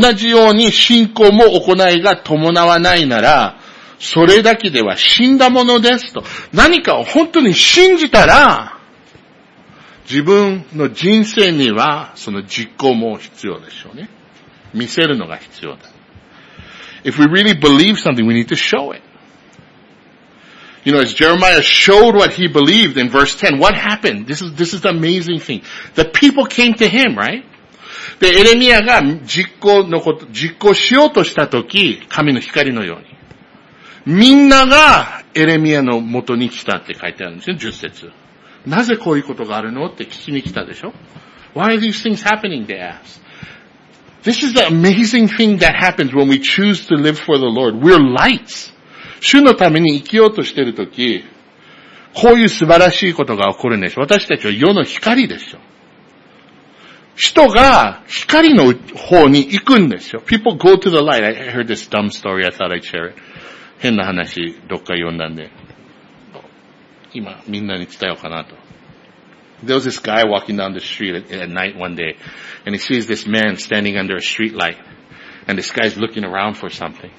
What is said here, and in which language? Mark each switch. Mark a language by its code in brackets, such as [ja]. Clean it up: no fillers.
[ja] 同じように信仰も行いが伴わないなら、それだけでは死んだものですと。何かを本当に信じたら、自分の人生にはその実行も必要でしょうね。見せるのが必要だ。 [en] If we really believe something, we need to show it. You know, as Jeremiah showed what he believed in verse 10, what happened? This is the amazing thing. The people came to him, right? [ja] で、エレミアが実行しようとしたとき、神の光のように。みんながエレミアの元に来たって書いてあるんですよ、10節。なぜこういうことがあるのって聞きに来たでしょ。 [en] Why are these things happening? They ask. This is the amazing thing that happens when we choose to live for the Lord. We're lights. [ja] 主のために生きようとしているとき、こういう素晴らしいことが起こるんでしょ。私たちは世の光でしょ。人が光の方に行くんでしょ。 [en] People go to the light. I heard this dumb story. I thought I'd share it. [ja] 変な話どっか読んだんで、今みんなに伝えようかなと。 [en] There was this guy walking down the street at night one day, and he sees this man standing under a street light, and this guy's looking around for something.